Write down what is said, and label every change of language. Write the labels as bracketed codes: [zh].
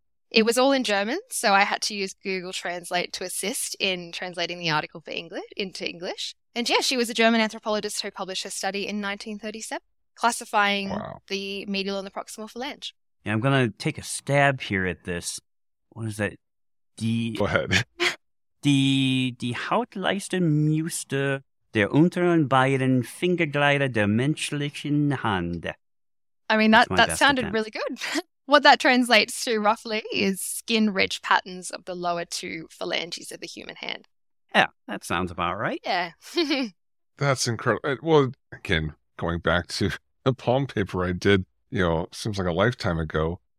[en] It was all in German, so I had to use Google Translate to assist in translating the article into English. And yeah, she was a German anthropologist who published her study in 1937, classifying the medial and the proximal phalange. Yeah, I'm going to take a stab here at this. What is that? Go ahead. [de] Die Hautleiste müsste der unteren beiden Fingerglieder der menschlichen Hand. [en] I mean, that sounded really good. What that translates to roughly is skin-rich patterns of the lower two phalanges of the human hand. Yeah, that sounds about right. Yeah. That's incredible. Well, again, going back to the palm paper I did, seems like a lifetime ago.